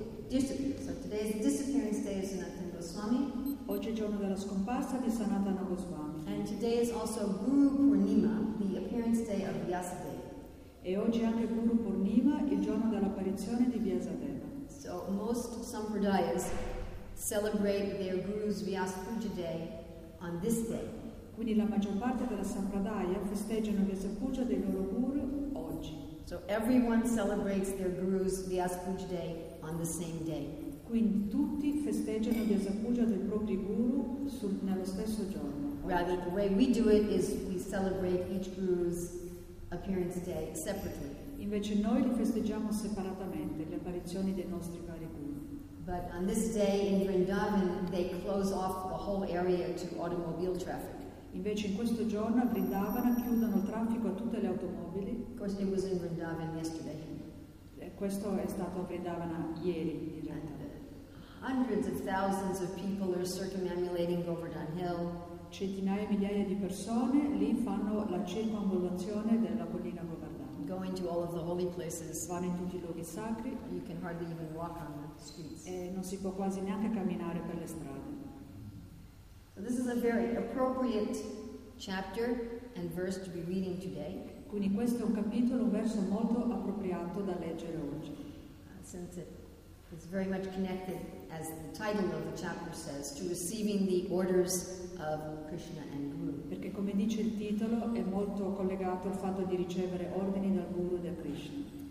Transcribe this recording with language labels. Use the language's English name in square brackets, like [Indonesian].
[Italian] Oggi è giorno della scomparsa di Sanatana Goswami. [English] And today is also Guru Purnima, the appearance day of Vyasadeva. [Italian] E oggi anche Guru Purnima, il giorno dell'apparizione di Vyasadeva. [English] So most sampradayas celebrate their Guru's Vyas Puja Day on this day. [Italian] Quindi la maggior parte della sampradaya festeggiano Vyasa Puja dei loro Guru oggi. [English] So everyone celebrates their Guru's Vyas Puja Day on the same day. [Italian] Quindi tutti festeggiano Vyasa Puja del proprio Guru nello stesso giorno. [English] Rather, the way we do it is we celebrate each Guru's appearance day separately. [Italian] Invece noi li festeggiamo separatamente, le apparizioni dei nostri vari Guru. [English] But on this day in Vrindavan, they close off the whole area to automobile traffic. [Italian] Invece in questo giorno a Vrindavana chiudono il traffico a tutte le automobili. [English] Of course it was in Vrindavan yesterday. [Italian] Questo è stato a Vrindavana ieri. [English] Hundreds of thousands of people are circumambulating Govardhan Hill. [Italian] Centinaia e migliaia di persone lì fanno la circumambulazione della collina Govardhan. [English] Going to all of the holy places. [Italian] Vanno in tutti i luoghi sacri. [English] You can hardly even walk on the streets. [Italian] E non si può quasi neanche camminare per le strade. [English] This is a very appropriate chapter and verse to be reading today. [Italian] Quindi questo è un capitolo, un verso molto appropriato da leggere oggi. [English] Since it's very much connected, as the title of the chapter says, to receiving the orders of Krishna and Guru. [Italian] Perché come dice il titolo, è molto collegato al fatto di ricevere ordini dal Guru e da Krishna.